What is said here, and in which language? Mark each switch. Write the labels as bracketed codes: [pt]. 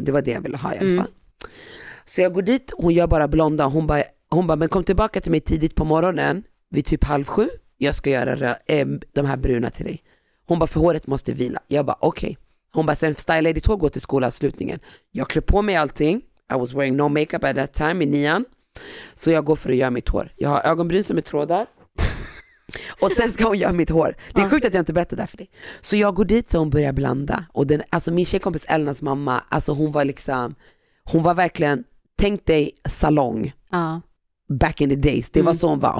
[sv] Det var det jag ville ha i alla fall. Så jag går dit, hon gör bara blonda. Hon bara, men kom tillbaka till mig tidigt på morgonen vid typ 6:30. Jag ska göra de här bruna till dig. Hon bara, för håret måste vila. Jag bara, okej. Okay. Hon bara, sen styla ditt hår, gå till skolavslutningen. Jag klär på mig allting. [en] I was wearing no makeup at that time [sv] i nian. Så jag går för att göra mitt hår. Jag har ögonbryn som är trådar. Och sen ska hon göra mitt hår. Det är sjukt att jag inte berättar det för dig. Så jag går dit, så hon börjar blanda. Och den, alltså min tjejkompis Elnas mamma, alltså hon var liksom, hon var verkligen, tänk dig salong. [en] Back in the days. [sv] Det var så hon var.